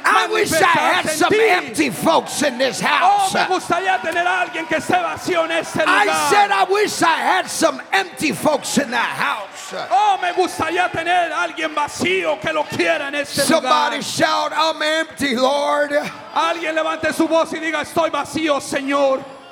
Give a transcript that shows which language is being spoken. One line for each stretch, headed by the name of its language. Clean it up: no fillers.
English: I wish I had some empty folks in this house.
Spanish: Oh, me gustaría tener a alguien que esté vacío en este lugar.
English: I said I wish I had some empty folks in that house.
Spanish: Oh, me gustaría tener a alguien vacío que lo quiera en este
English: Somebody
Spanish: lugar.
English: Shout, I'm empty, Lord.
Spanish: Alguien levante su voz y diga, estoy vacío, Señor.